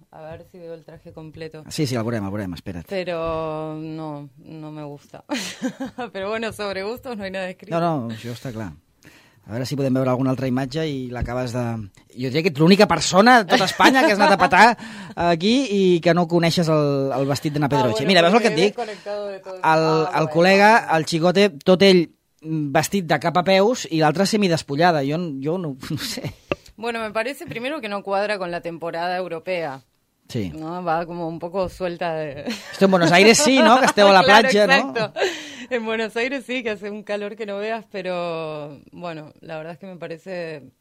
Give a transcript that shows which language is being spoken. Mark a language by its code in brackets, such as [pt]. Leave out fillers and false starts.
[es] A ver si veo el traje completo. Sí, sí, el problema, espérate. Pero no me gusta. Pero bueno, sobre gustos no hay nada escrito. [ca] No, això està clar. A veure si podem veure alguna altra imatge i l'acabes de... Jo diria que ets l'única persona de tota Espanya que has anat a petar aquí i que no coneixes el vestit d'Ana Pedroche. Ah, bueno, mira, veus el que et dic? El col·lega, el Chicote, tot ell vestit de cap a peus i l'altre semidespullada. Jo no sé... [es] Bueno, me parece primero que no cuadra con la temporada europea. Sí. ¿No? Va como un poco suelta de... Esto en Buenos Aires sí, ¿no? Que [ca] esteu a la [es] claro, [ca] platja, [es] exacto. ¿No? En Buenos Aires sí, que hace un calor que no veas, pero bueno, la verdad es que me parece...